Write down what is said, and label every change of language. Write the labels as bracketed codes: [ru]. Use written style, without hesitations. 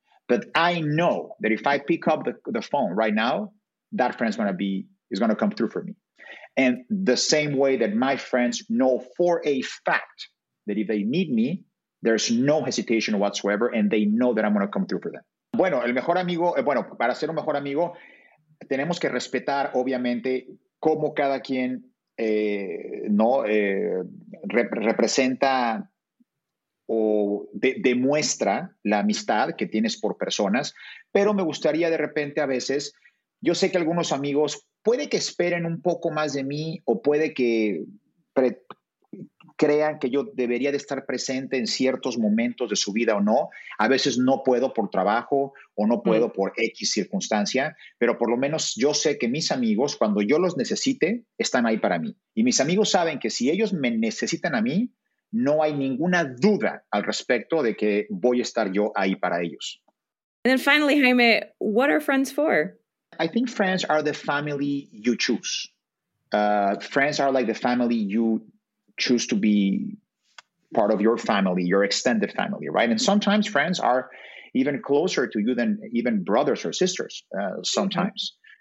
[en] But I know that if I pick up the phone right now, that friend's is going to come through for me. And the same way that my friends know for a fact that if they need me, there's no hesitation whatsoever, and they know that I'm going to come through for them. [es] Bueno, el mejor amigo, bueno, para ser un mejor amigo, tenemos que respetar, obviamente, cómo cada quien representa o demuestra la amistad que tienes por personas. Pero me gustaría de repente a veces, yo sé que algunos amigos puede que esperen un poco más de mí o puede que crean que yo debería de estar presente en ciertos momentos de su vida o no. A veces no puedo por trabajo o no puedo por X circunstancia, pero por lo menos yo sé que mis amigos, cuando yo los necesite, están ahí para mí. Y mis amigos saben que si ellos me necesitan a mí, no hay ninguna duda al respecto de que voy a estar yo ahí para ellos. [en] And then finally, Jaime, what are friends for? I think friends are the family you choose. Friends are like the family you choose to be part of your family, your extended family, right? And sometimes friends are even closer to you than even brothers or sisters sometimes.